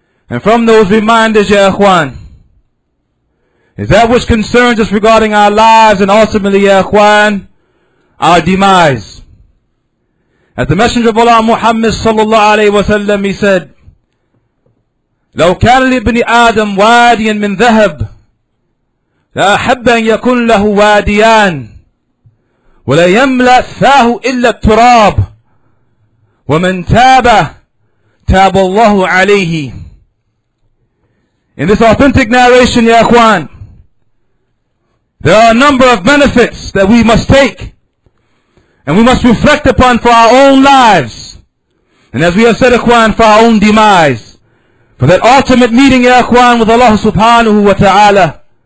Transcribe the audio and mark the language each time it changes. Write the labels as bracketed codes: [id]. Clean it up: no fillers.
[en] And from those reminders, ya akhwan, is that which concerns us regarding our lives and ultimately, ya akhwan, our demise. As the Messenger of Allah Muhammad sallallahu alayhi wa sallam, he said, [ar] لو كان لابن آدم واديا من ذهب لا أحب أن يكون له واديان ولا يملأ فاه إلا التراب ومن تاب تاب الله عليه. [en] In this authentic narration, ya Ikhwan, there are a number of benefits that we must take and we must reflect upon for our own lives, and as we have said, Ikhwan, for our own demise. For that ultimate meeting, ya Ikhwan, with Allah subhanahu wa ta'ala.